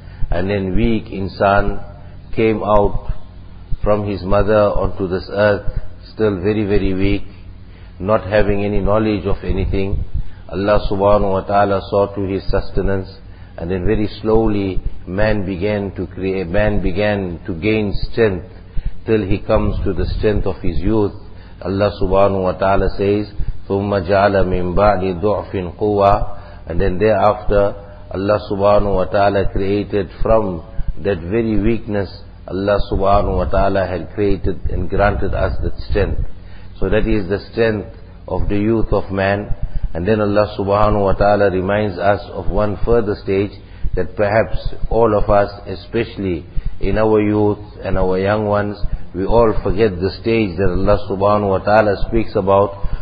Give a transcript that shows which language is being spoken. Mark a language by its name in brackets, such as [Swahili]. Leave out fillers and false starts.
[English] And then weak insan came out from his mother onto this earth, still very, very weak, not having any knowledge of anything. Allah subhanahu wa ta'ala saw to his sustenance, and then very slowly man began to gain strength till he comes to the strength of his youth. Allah subhanahu wa ta'ala says, [Arabic] ثُمَّ جَعَلَ مِنْ بَعْدِ ضُعْفٍ قُوَّةٍ. [English] And then thereafter, Allah subhanahu wa ta'ala created from that very weakness, Allah subhanahu wa ta'ala had created and granted us that strength. So that is the strength of the youth of man. And then Allah subhanahu wa ta'ala reminds us of one further stage, that perhaps all of us, especially in our youth and our young ones, we all forget the stage that Allah subhanahu wa ta'ala speaks about.